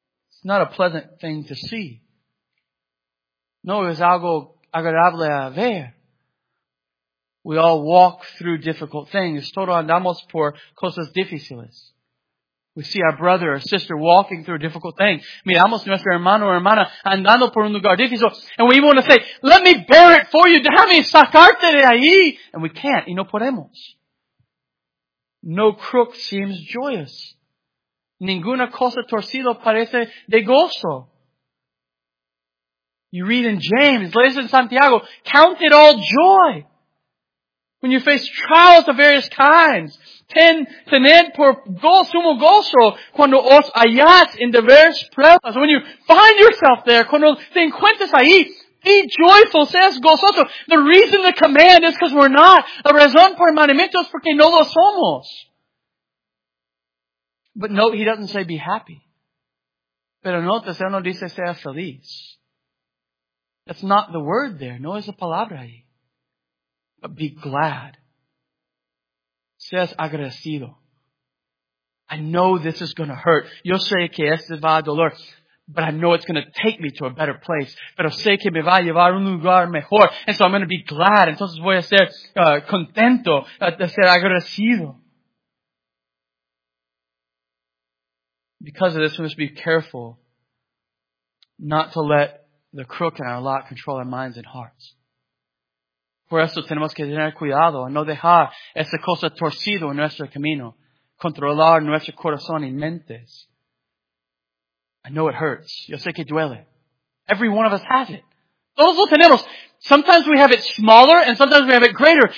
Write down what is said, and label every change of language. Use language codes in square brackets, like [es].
[en] It's not a pleasant thing to see. [es] No es algo agradable a ver. [en] We all walk through difficult things. [es] Todos andamos por cosas difíciles. [en] We see our brother or sister walking through a difficult thing. [es] Miramos nuestro hermano o hermana andando por un lugar difícil. [en] And we want to say, let me bear it for you. [es] Déjame sacarte de ahí. [en] And we can't. [es] Y no podemos. [en] No crook seems joyous. [es] Ninguna cosa torcida parece de gozo. [en] You read in James, [es] lees en Santiago, [en] count it all joy. When you face trials of various kinds, [es] tened por sumo gozo cuando os hallás en diversas pruebas. [en] When you find yourself there, [es] cuando te encuentras ahí, [en] be joyful, [es] seas gozoso. [en] The reason the command is because we're not. [es] La razón por el mandamiento es porque no lo somos. [en] But note, he doesn't say be happy. [es] Pero note, él no dice sea feliz. [en] That's not the word there. [es] No es la palabra ahí. [en] But be glad. [es] Seas agradecido. [en] I know this is going to hurt. [es] Yo sé que este va a doler. [en] But I know it's going to take me to a better place. [es] Pero sé que me va a llevar a un lugar mejor. [en] And so I'm going to be glad. [es] Entonces voy a ser contento de ser agradecido. [en] Because of this, we must be careful not to let the crook in our lot control our minds and hearts. [es] Por eso tenemos que tener cuidado a no dejar esa cosa torcida en nuestro camino. Controlar nuestro corazón y mentes. [en] I know it hurts. [es] Yo sé que duele. [en] Every one of us has it. [es] Todos lo tenemos. [en] Sometimes we have it smaller and sometimes we have it greater.